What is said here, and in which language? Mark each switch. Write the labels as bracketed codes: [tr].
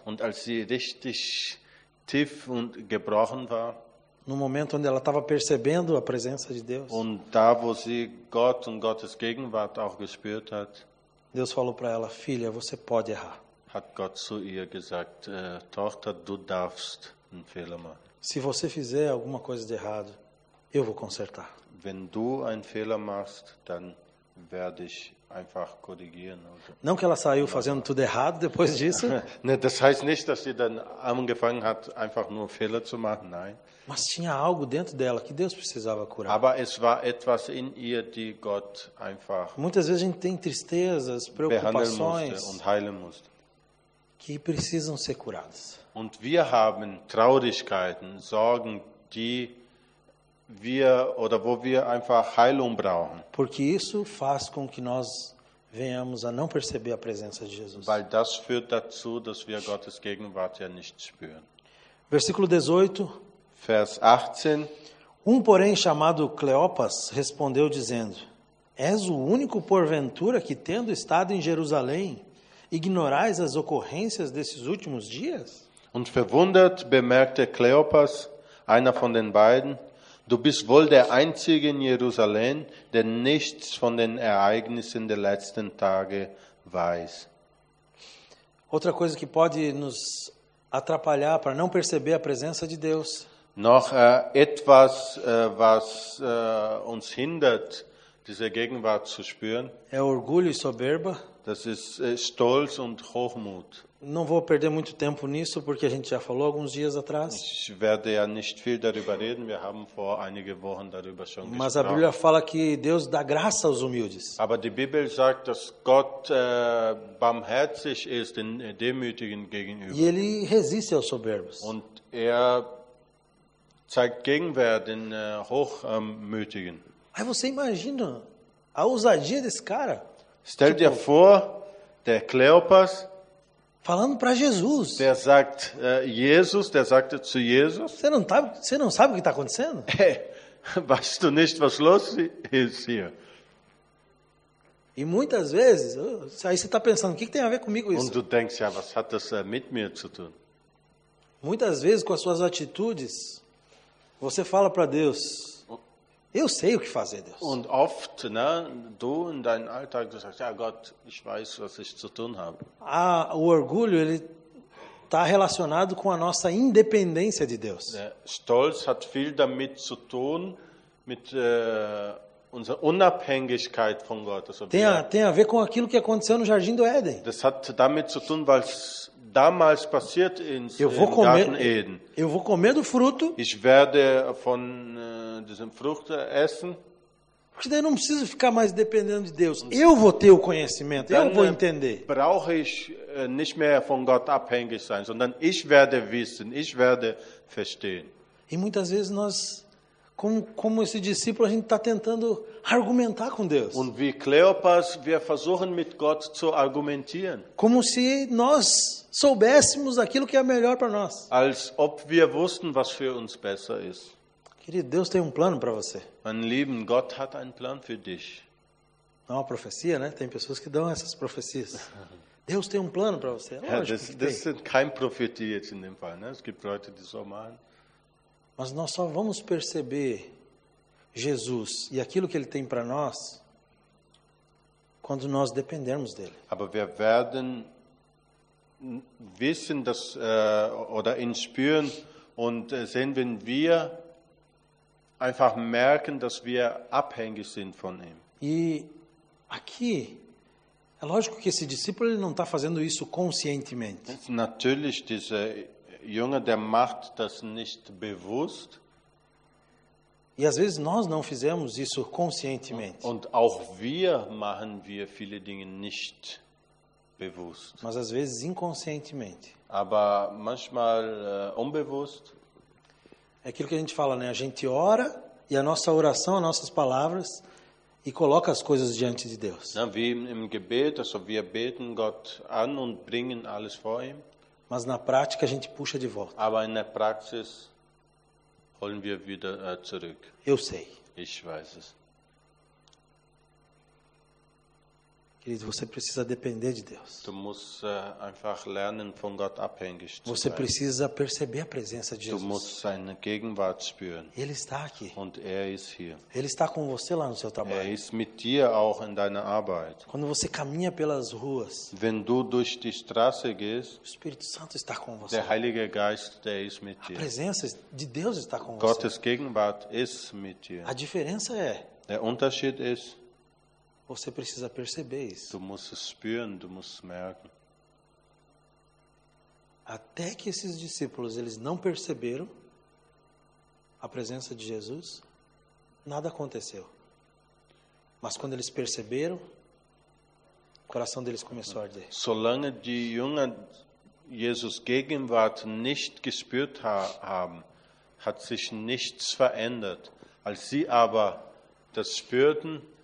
[de] Und als sie richtig tief und gebrochen war. [pt] No momento onde ela estava percebendo a presença de Deus. [de] Und da wo sie Gott und Gottes Gegenwart auch gespürt hat. [pt] Deus falou para ela, filha, você pode errar. [de] Hat Gott zu ihr gesagt, Tochter, du darfst einen Fehler machen. [pt] Se você fizer alguma coisa de errado, eu vou consertar. [de] Wenn du einen Fehler machst, dann werde ich einfach korrigieren. [pt] Não que ela saiu fazendo tudo errado depois disso. [de] Das heißt nicht, dass sie dann angefangen hat, einfach nur Fehler zu machen, nein. [pt] Mas tinha algo dentro dela que Deus precisava curar. [de] Aber es war etwas in ihr, die Gott einfach. [pt] Muitas vezes a gente tem tristezas, preocupações [de] und heilen musste. [pt] Que precisam ser curadas. [de] Und wir haben Traurigkeiten, Sorgen, die wir oder wo wir einfach Heilung brauchen. [pt] Porque isso faz com que nós venhamos a não perceber a presença de Jesus. [de] Weil das führt dazu, dass wir Gottes Gegenwart ja nicht spüren. [pt] Versículo 18. [de] Vers 18. [pt] Um, porém, chamado Cleopas, respondeu dizendo: És o único, porventura, que, tendo estado em Jerusalém, ignorais as ocorrências desses últimos dias? [de] Und verwundert bemerkte Kleopas, einer von den beiden: Du bist wohl der Einzige in Jerusalem, der nichts von den Ereignissen der letzten Tage weiß. [pt] Outra coisa que pode nos atrapalhar para não perceber a presença de Deus. [de] Noch etwas, was uns hindert, diese Gegenwart zu spüren. [pt] É orgulho e soberba. [de] Das ist Stolz und Hochmut. [pt] Não vou perder muito tempo nisso, porque a gente já falou alguns dias atrás. [de] Ich werde ja nicht viel darüber reden. Wir haben vor einige Wochen darüber schon gesprochen. [pt] Mas a Bíblia fala que Deus dá graça aos humildes. [de] Aber die Bibel sagt, dass Gott barmherzig ist den Demütigen gegenüber. [pt] E ele resiste aos soberbos. [de] Und er zeigt Gegenwehr den Hochmütigen. [pt] Aí você imagina a ousadia desse cara? [de] Stell dir vor, der Kleopas. [pt] Falando para Jesus. [de] Der sagt, Jesus, der sagte zu Jesus. [pt] Você não sabe o que está acontecendo? [de] Weißt du nicht, was los ist hier? [pt] E muitas vezes, aí você está pensando, o que tem a ver comigo isso? [de] Und du denkst, ja, was hat das mit mir zu tun? [pt] Muitas vezes, com as suas atitudes, você fala para Deus: Eu sei o que fazer, Deus. [de] Und oft, ne, du in deinem Alltag, du sagst, ja Gott, ich weiß, was ich zu tun habe. [pt] Ah, o orgulho, ele está relacionado com a nossa independência de Deus. [de] Stolz hat viel damit zu tun, mit unserer Unabhängigkeit von Gott. Also, [pt] tem a ver com aquilo que aconteceu no Jardim do Éden. [de] Das hat damit zu tun, weil es damals passiert in Garten Eden. [pt] Eu vou comer do fruto. [de] Ich werde von diesem Frucht essen. [pt] Porque daí eu não preciso ficar mais dependendo de Deus. Eu vou ter o conhecimento, [de] dann [pt] eu vou entender. [de] Brauche ich nicht mehr von Gott abhängig sein, sondern ich werde wissen, ich werde verstehen. [pt] E muitas vezes nós, como esse discípulo, a gente está tentando argumentar com Deus. [de] Und wie Kleopas, wir versuchen mit Gott zu argumentieren. [pt] Como se nós soubéssemos aquilo que é melhor para nós. [de] Als ob wir wussten, was für uns besser ist. [pt] Querido, Deus tem um plano para você. [de] Mein Lieben, Gott hat einen Plan für dich. [pt] Não é uma profecia, né? Tem pessoas que dão essas profecias. Deus tem um plano para você. [de] Das ist kein Prophetie jetzt in dem Fall, ne? Es gibt Leute, die so machen. [pt] Mas nós só vamos perceber Jesus e aquilo que ele tem para nós quando nós dependermos dele. [de] Aber wir werden wissen, dass, oder ihn spüren und sehen, wenn wir einfach merken, dass wir abhängig sind von ihm. [pt] E aqui é lógico que esse discípulo ele não está fazendo isso conscientemente. [de] Natürlich, dieser Junge, der macht das nicht bewusst. [pt] E às vezes nós não fizemos isso conscientemente. [de] Und auch wir machen wir viele Dinge nicht bewusst. [pt] Mas às vezes inconscientemente. [de] Aber manchmal unbewusst. [pt] É aquilo que a gente fala, né? A gente ora e a nossa oração, as nossas palavras e coloca as coisas diante de Deus. Não, [de] wie im Gebet, also wir beten Gott an und bringen alles vor ihm. [pt] Mas na prática a gente puxa de volta. [de] Aber in der Praxis holen wir wieder zurück. [pt] Eu sei. [de] Ich weiß es. [pt] Querido, você precisa depender de Deus. [de] Du musst einfach lernen, von Gott abhängig zu sein. [pt] Você precisa perceber a presença de Jesus. [de] Du musst seine Gegenwart spüren. [pt] Ele está aqui. [de] Und er ist hier. [pt] Ele está com você lá no seu trabalho. [de] Er ist mit dir auch in deiner Arbeit. [pt] Quando você caminha pelas ruas. [de] Wenn du durch die Straße gehst. [pt] O Espírito Santo está com você. [de] Der Heilige Geist, der ist mit dir. [pt] A presença de Deus está com [de] Gottes Gottes Gegenwart ist mit dir. [pt] A diferença é. [de] Der Unterschied ist. [pt] Você precisa perceber isso. [de] Du musst es spüren, du musst merken. [pt] Até que esses discípulos eles não perceberam a presença de Jesus, nada aconteceu. Mas quando eles perceberam, o coração deles começou a arder. [de] Solange die Jünger Jesus Gegenwart nicht gespürt haben, hat sich nichts verändert. Als sie aber das spürten,